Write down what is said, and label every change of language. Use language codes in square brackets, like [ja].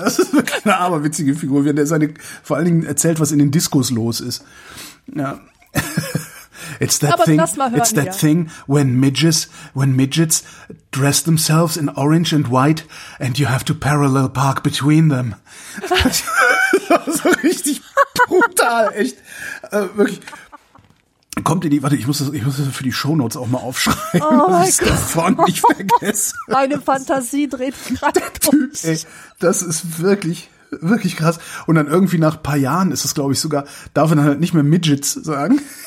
[de] Das ist wirklich eine aberwitzige Figur. Der seine, vor allen Dingen erzählt, was in den Diskos los ist. Ja. [en] It's that thing. [de] Lass mal hören, [en] it's that thing when midgets dress themselves in orange and white and you have to parallel park between them. [de] Das war so richtig brutal, echt. Wirklich. Kommt in die, warte, ich muss das für die Shownotes auch mal aufschreiben, oh dass ich es davor nicht vergesse. Meine Fantasie dreht gerade durch. Das ist wirklich, wirklich krass. Und dann irgendwie nach ein paar Jahren ist es, glaube ich, sogar, darf man halt nicht mehr Midgets sagen.